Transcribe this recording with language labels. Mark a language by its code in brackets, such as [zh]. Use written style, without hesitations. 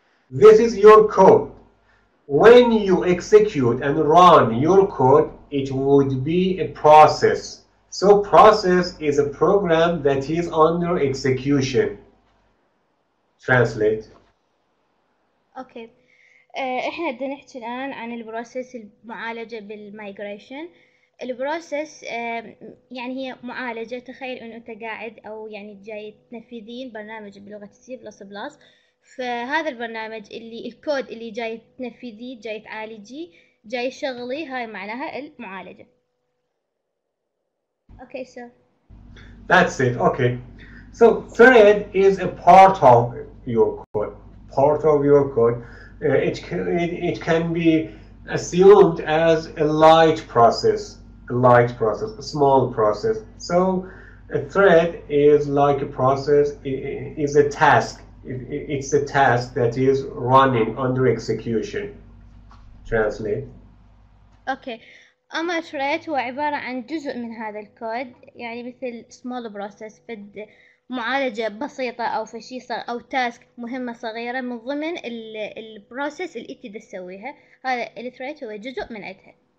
[en] This is your code. When you execute and run your code, it would be a process. So process is a program that is under execution. Translate. Okay. [ar] احنا بدنا نحكي الان عن البروسيس المعالجة بالمايجريشن. البروسيس يعني هي معالجة. تخيل انه انت قاعد او يعني جاي تنفذين برنامج بلغة C++. فهذا البرنامج اللي الكود اللي جاي تنفذي جاي تعالجي جاي شغلي هاي معناها المعالجة. [en] Okay, sir. That's it. Okay. So thread is a part of your code. Part of your code. It can be assumed as a light process. A light process. A small process. So a thread is like a process. Is a task. It's a task that is running under execution. Translate. Okay. [ar] أما thread هو عبارة عن جزء من هذا الكود، يعني مثل [en] small process، [ar] بد معالجة بسيطة أو في شيء صغير أو task مهمة صغيرة من ضمن ال process اللي أنت تسويها. هذا ال thread هو جزء من عدها.